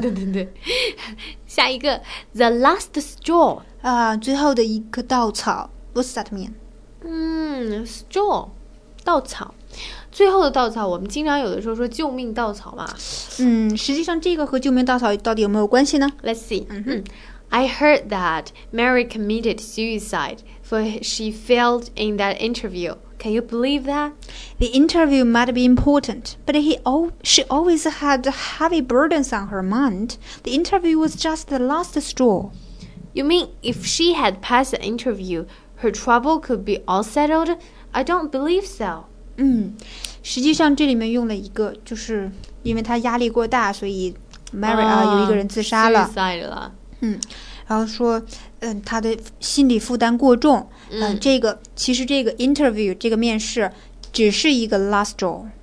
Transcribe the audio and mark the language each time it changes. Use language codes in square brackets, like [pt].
[zh] 对对对，下一个 the last straw，最后的一个稻草。 [en] What's that mean？ [zh] Straw， 稻草，最后的稻草。我们经常有的时候说救命稻草嘛。实际上这个和救命稻草到底有没有关系呢？ [en] Let's see。 I heard that Mary committed suicide for she failed in that interview. Can you believe that? The interview might be important, but she always had heavy burdens on her mind. The interview was just the last straw. You mean if she had passed the interview, her trouble could be all settled? I don't believe so. [zh] 实际上这里面用了一个，就是因为她压力过大，所以 Mary 有一个人自杀了。 Suicide 了。然后说，他的心理负担过重。这个其实这个 interview 这个面试只是一个 last straw。